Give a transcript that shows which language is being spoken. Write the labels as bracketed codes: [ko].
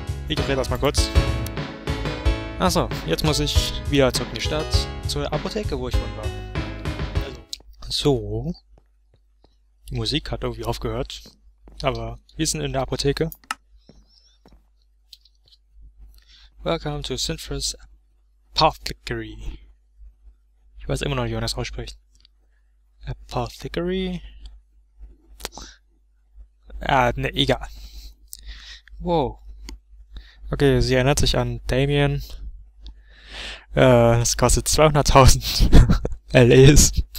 [de] Ich drehe das mal kurz. Achso, jetzt muss ich wieder zurück in die Stadt, zur Apotheke, wo ich vorhin war. Also. So. Die Musik hat irgendwie aufgehört. Aber wir sind in der Apotheke. [en] Welcome to Sinfra's Apothecary. [de] Ich weiß immer noch nicht, wie man das ausspricht. Apothecary? Ne, egal. Wow. Okay, sie erinnert sich an Damien. Das kostet 200.000 LAs.